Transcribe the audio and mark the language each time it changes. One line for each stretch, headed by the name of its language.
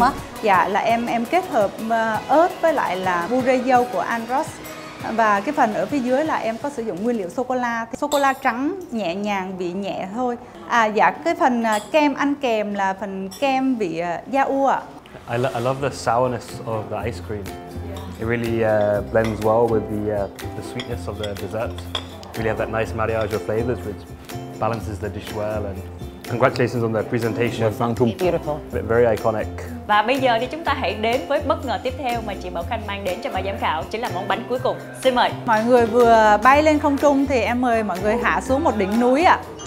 Vietnamese: á. Dạ, là em kết hợp ớt với lại là puree dâu của Andros, và cái phần ở phía dưới là em có sử dụng nguyên liệu sô cô la trắng nhẹ nhàng, vị nhẹ thôi. Dạ, cái phần kem ăn kèm là phần kem vị da ua.
English: I love the sourness of the ice cream. It really blends well with the sweetness of the dessert. Really have that nice mariage of flavors which balances the dish well, and congratulations on the presentation. Beautiful. Very iconic.
Vietnamese: Và bây giờ thì chúng ta hãy đến với bất ngờ tiếp theo mà chị Bảo Khanh mang đến cho ban giám khảo, chính là món bánh cuối cùng. Xin mời. Mọi người vừa bay lên không trung thì em mời mọi người hạ xuống một đỉnh núi ạ.